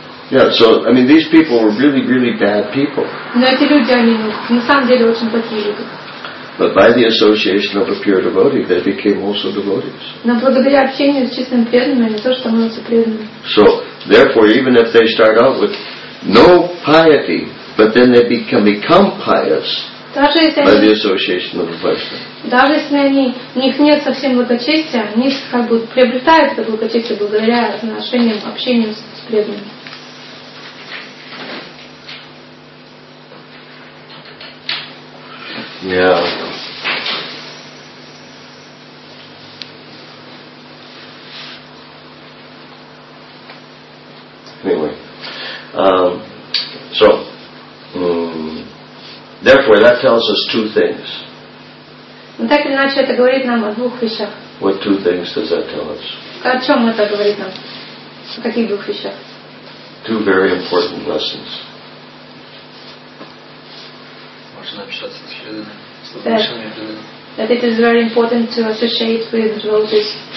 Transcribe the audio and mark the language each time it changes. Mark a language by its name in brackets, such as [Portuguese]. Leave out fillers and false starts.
[English] Yeah, so I mean, these people were really, really bad people. [Russian] Но эти люди, они на самом деле очень плохие люди. [English] But by the association of a pure devotee, they became also devotees. [Russian] Но благодаря общению с чистыми преданными, они тоже становятся преданными. [English] So therefore, even if they start out with no piety, but then they can become pious by the association of a Vaishnava. [Russian] Даже если они, у них нет совсем благочестия, они как бы приобретают это благочестие благодаря отношениям, общению с преданными. [English] Yeah. Anyway. Therefore, that tells us two things. [Russian] Ну так или иначе, это говорит нам о двух вещах. [English] What two things does that tell us? [Russian] О чем это говорит нам? О каких двух вещах? [English] Two very important lessons. [Russian] Можно общаться с Шридой. [English] That it is very important to associate with devotees.